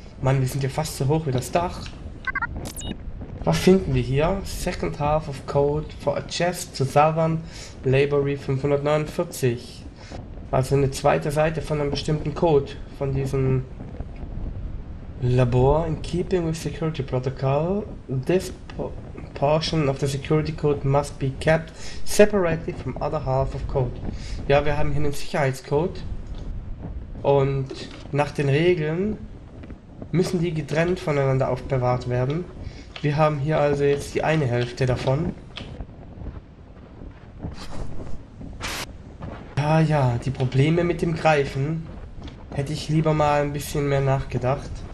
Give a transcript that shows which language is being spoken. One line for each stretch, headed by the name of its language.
German: Mann, wir sind ja fast so hoch wie das Dach. Was finden wir hier?
English: Second half of code for a chest to Southern Laborry 549.
German: Also eine zweite Seite von einem bestimmten Code von diesem Labor.
English: In keeping with security protocol, this portion of the security code must be kept separately from other half of code.
German: Ja, wir haben hier einen Sicherheitscode. Und nach den Regeln müssen die getrennt voneinander aufbewahrt werden. Wir haben hier also jetzt die eine Hälfte davon. Ja, die Probleme mit dem Greifen hätte ich lieber mal ein bisschen mehr nachgedacht.